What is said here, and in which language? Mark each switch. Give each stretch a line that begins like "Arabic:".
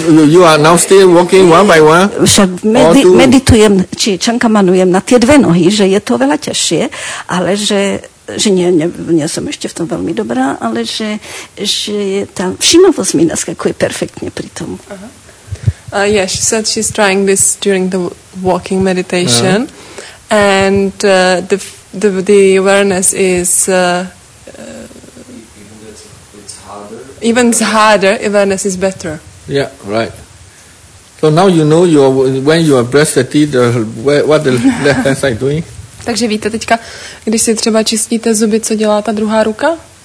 English: You are now still walking one by one.
Slovak: Však meditujem, či čankamanujem na tie dve nohy, že je to veľa ťažšie, ale že nie som ešte v tom veľmi dobrá, ale že je tam všimavosť mi naskakuje perfektne pri tom. Uh-huh.
English: Yeah, she said she's trying this during the walking meditation, uh-huh. and the awareness is. Even it's harder, awareness is better. Yeah, right. So now you know when you are brushing the teeth, what the left hand side doing?
Czech: Takže víte teďka, když si třeba čistíte zuby, co dělá ta druhá ruka?